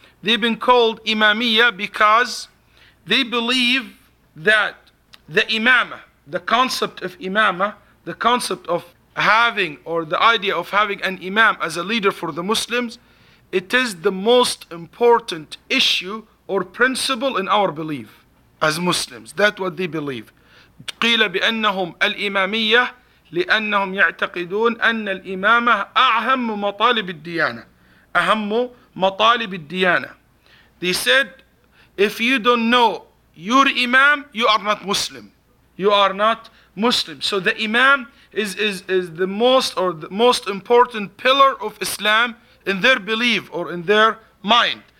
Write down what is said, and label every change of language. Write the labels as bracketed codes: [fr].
[en] They've been called Imamiyyah because they believe that the Imamah, the concept of Imamah, the concept of having, or the idea of having an Imam as a leader for the Muslims, it is the most important issue or principle in our belief as Muslims. That's what they believe. [ar] قيل بأنهم الإمامية لأنهم يعتقدون أن الإمامة أهم مطالب الديانة. أهم مطالب الديانة. [en] They said, if you don't know your Imam, you are not Muslim. You are not Muslim. So the Imam is the most, or the most important pillar of Islam in their belief or in their mind.